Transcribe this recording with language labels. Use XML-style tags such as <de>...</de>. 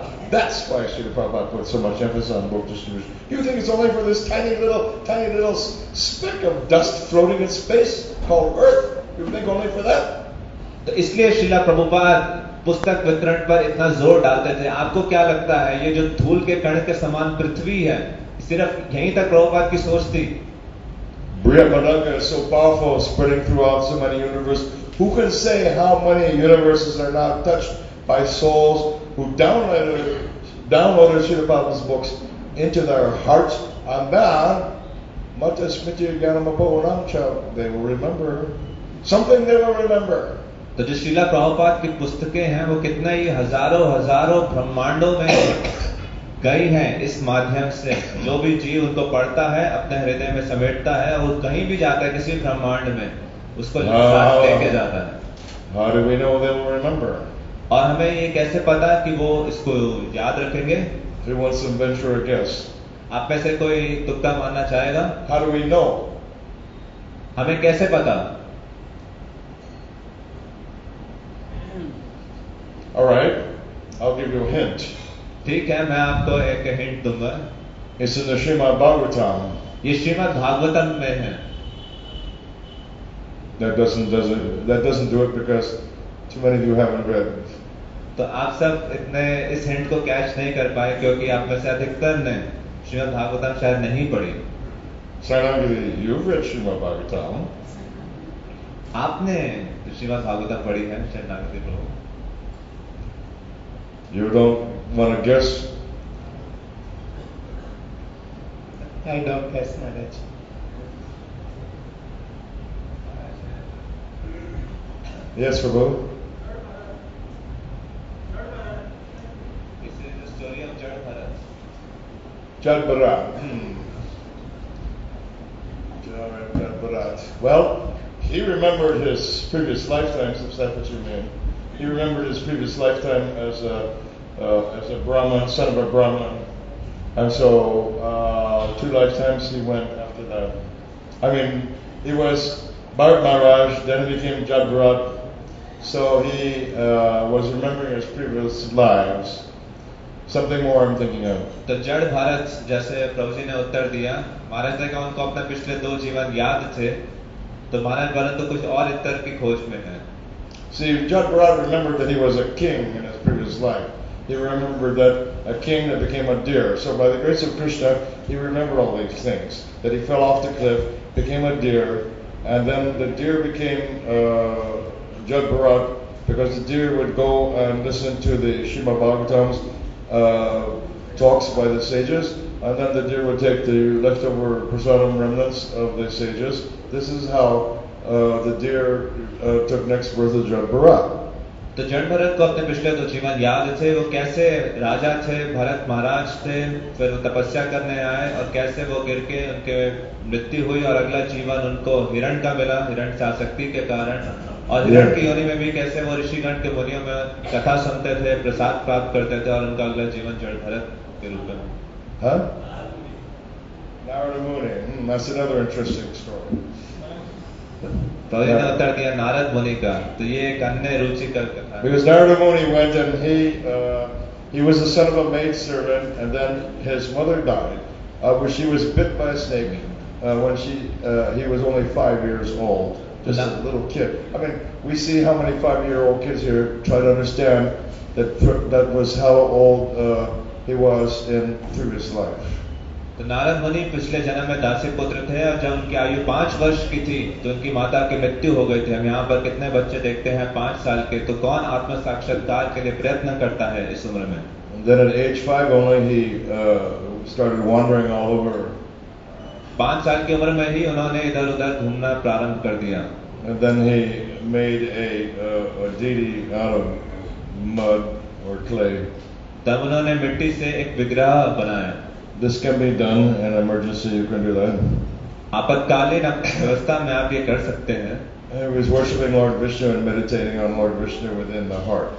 <en>That's why Srila Prabhupada put so much emphasis on book distribution. You think it's only for this tiny little speck of dust floating in space called Earth? You think only for that?</en> <hi>तो इसलिए शिला प्रभुपाद पुस्तक वितरण पर इतना जोर डालते थे. आपको क्या लगता है, ये जो धूल के कण के समान पृथ्वी है, सिर्फ यहीं तक प्रभुपाद की सोच थी?</hi> <en>Brihadaranyaka is so powerful, spreading throughout so many universes. Who can say how many universes are not touched by souls who downloaded Srila Prabhupada's books into their hearts? And then, Mata Smriti Gyanamapo Unamcha, they will remember. Something they will remember.</en> <hi>तो जो श्रीला प्रभुपाद की पुस्तकें हैं वो कितने ही हजारों हजारों ब्रह्मांडों में गई हैं इस माध्यम से. जो भी जीव उनको पढ़ता है, अपने हृदय में समेटता है और कहीं भी जाता है किसी ब्रह्मांड में, उसको लेके जाता है.</hi> <en>How do we know they will remember?</en> <hi>और हमें ये कैसे पता कि वो इसको याद रखेंगे?</hi> <en>He wants some venture a guess.</en> <hi>आप में से कोई तुक्का मानना चाहेगा?</hi> <en>How do we know?</en> <hi>हमें कैसे पता?</hi> <en>All right, I'll give you a hint.</en> <hi>ठीक है, मैं आपको एक हिंट दूंगा.</hi> <en>It's in the Srimad Bhagavatam.</en> <hi>ये श्रीमद् भागवतम में है.</hi> <en>That doesn't do it because too many of you haven't read.</en> <hi>तो आप सब इतने इस हिंट को कैच नहीं कर पाए क्योंकि आप में से अधिकतर ने श्रीमद् भागवतम शायद नहीं पढ़ी.</hi> <en>Sarangi, you've read Srimad Bhagavatam.</en> <hi>आपने श्रीमद् भागवतम पढ़ी है शरणागति प्रभु?</hi> <en>You don't want to guess? I don't guess much. Yes, Prabhu? This is the story of Jadbara. Jadbarat. Well, he remembered his previous lifetimes, if that's what you mean. He remembered his previous lifetime as a Brahmin, son of a Brahmin. And so, two lifetimes he went after that. I mean, he was Bharat Maharaj, then became Jadbarat. So he was remembering his previous lives. Something more I'm thinking of.</en> <hi>तो जड़ भारत जैसे प्रभुजी ने उत्तर दिया, महाराज ने कहा उनको अपने पिछले दो जीवन याद थे, तो महाराज भारत तो कुछ और इतर की खोज में है.</hi> <en>See, Jadbarat remembered that he was a king in his previous life. He remembered that a king that became a deer. So by the grace of Krishna, he remembered all these things. That he fell off the cliff, became a deer, and then the deer became Jadbarat, because the deer would go and listen to the Srimad Bhagavatam's talks by the sages, and then the deer would take the leftover prasadam remnants of the sages. This is how the deer took next birth of Jadbarat.</en> <hi>तो जन भरत को अपने पिछले दो जीवन याद थे, वो कैसे राजा थे, भरत महाराज थे, फिर वो तपस्या करने आए और कैसे वो गिर के उनके मृत्यु हुई और अगला जीवन उनको हिरण का मिला, हिरण की आसक्ति के कारण, और हिरण की योनि में भी कैसे वो ऋषिगण के मुनियों में कथा सुनते थे, प्रसाद प्राप्त करते थे और उनका अगला जीवन जन भरत के रूप में। तो इन्हें उत्तर दिया नारद मुनि का, तो ये एक अन्य रुचिकर कथा।</hi> <en>Because Narada Muni went and he was the son of a maid servant and then his mother died, but she was bit by a snake when she he was only 5 years old, just a little kid. I mean, we see how many 5-year-old kids here try to understand that was how old he was in through his life.</en> <hi>तो नारद मुनि पिछले जन्म में दासी पुत्र थे और जब उनकी आयु 5 वर्ष की थी तो उनकी माता की मृत्यु हो गई थी। हम यहाँ पर कितने बच्चे देखते हैं 5 साल के, तो कौन आत्म साक्षात्कार के लिए प्रयत्न करता है इस उम्र में?</hi> <en>Then at age 5 only he started wandering all over.</en> <hi>5 साल की उम्र में ही उन्होंने इधर उधर घूमना प्रारंभ कर दिया।</hi> <en>And then he made a deity out of mud or clay.</en> <hi>तब उन्होंने मिट्टी से एक विग्रह बनाया।</hi> <en>This can be done in emergency. You can do that.</en> <hi>आपातकालीन व्यवस्था में आप ये कर सकते हैं।</hi> <en>He was worshiping Lord Vishnu and meditating on Lord Vishnu within the heart.</en>